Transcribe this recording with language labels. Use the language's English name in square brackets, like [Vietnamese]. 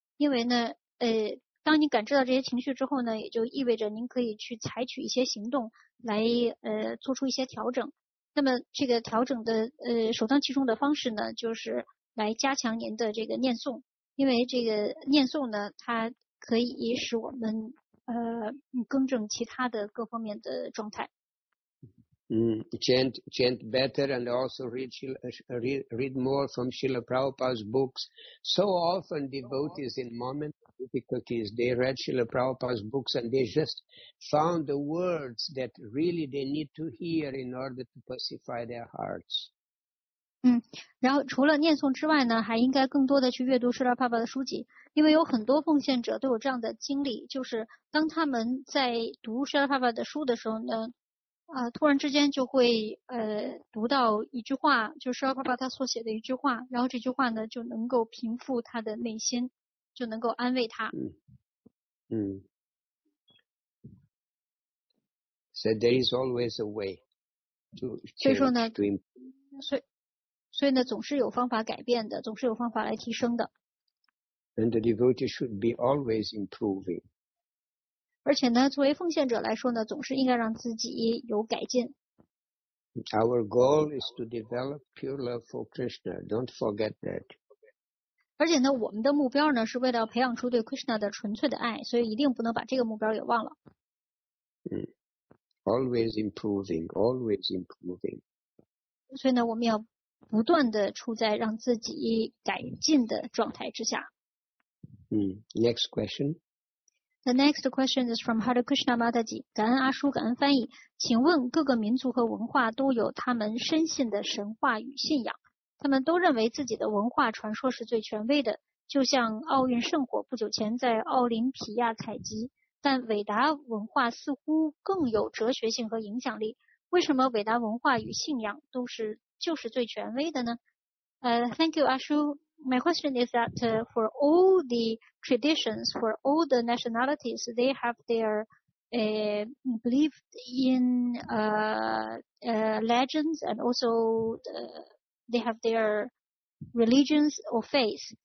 [Chinese] 因为呢，当你感知到这些情绪之后呢，也就意味着您可以去采取一些行动来做出一些调整。那么这个调整的首当其冲的方式呢，就是来加强您的这个念诵，因为这个念诵呢，它可以使我们更正其他的各方面的状态。 [English] Chant better and also read more from Srila Prabhupada's books. So often devotees in moments of difficulties, they read Srila Prabhupada's books and they just found the words that really they need to hear in order to pacify their hearts. [Chinese] 然后除了念诵之外呢，还应该更多的去阅读 Srila Prabhupada 的书籍，因为有很多奉献者都有这样的经历，就是当他们在读 Srila Prabhupada 的书的时候呢，突然之间就会读到一句话，就是Srila Prabhupada他所写的一句话，然后这句话呢就能够平复他的内心，就能够安慰他。 [English] So there is always a way to change, [Chinese] 所以说呢，所以呢，总是有方法改变的，总是有方法来提升的。 [English] And the devotee should be always improving. [Chinese] 而且呢，作为奉献者来说呢，总是应该让自己有改进。 [English] Our goal is to develop pure love for Krishna. Don't forget that. [Chinese] 而且呢，我们的目标呢，是为了培养出对 Krishna 的纯粹的爱，所以一定不能把这个目标给忘了。 [English] Always improving, always improving. [Chinese] 所以呢，我们要不断地处在让自己改进的状态之下。 [English] Next question. The next question is from Hare Krishna Mataji. [Chinese] 感恩阿叔，感恩翻译。请问各个民族和文化都有他们深信的神话与信仰，他们都认为自己的文化传说是最权威的，就像奥运圣火不久前在奥林匹亚采集，但韦达文化似乎更有哲学性和影响力，为什么韦达文化与信仰都是就是最权威的呢？ [English] Thank you, 阿叔。 My question is that for all the traditions, for all the nationalities, they have their belief in legends, and also they have their religions or faith.